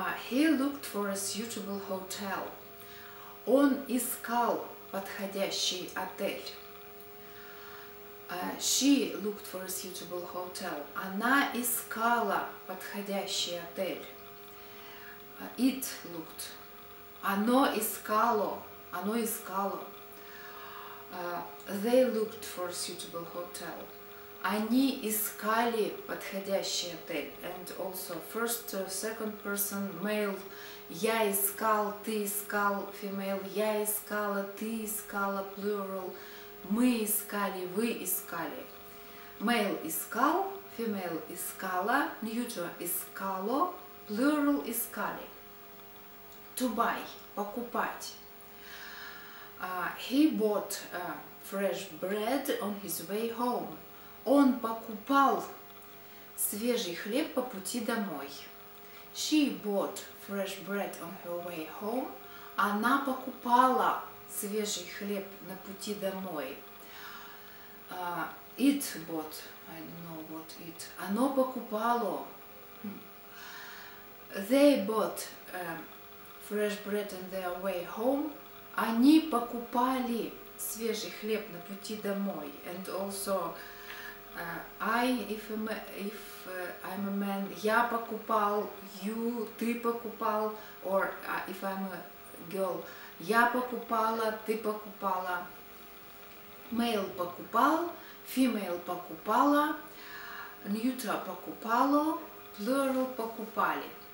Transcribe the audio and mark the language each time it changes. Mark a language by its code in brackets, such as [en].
[en] He looked for a suitable hotel. [ru] Он искал подходящий отель. [en] She looked for a suitable hotel. [ru] Она искала подходящий отель. [en] It looked. [ru] Оно искало. Оно искало. [en] They looked for a suitable hotel. [ru] Они искали подходящий отель. [en] And also first, second person, male. [ru] Я искал, ты искал, female. Я искала, ты искала, plural. Мы искали, вы искали. [en] Male искал, female искала, neuter искало, plural искали. To buy, покупать. He bought fresh bread on his way home. [ru] Он покупал свежий хлеб по пути домой. [en] She bought fresh bread on her way home. [ru] она покупала свежий хлеб на пути домой. [en] It bought, I don't know what it. [ru] Оно покупало. [en] They bought fresh bread on their way home. [ru] Они покупали свежий хлеб на пути домой. [en] And also, I'm a man, [ru] я покупал, [en] you, [ru] ты покупал, [en] or if I'm a girl, [ru] я покупала, ты покупала. [en] Male покупал, female покупала, neuter покупало, plural покупали.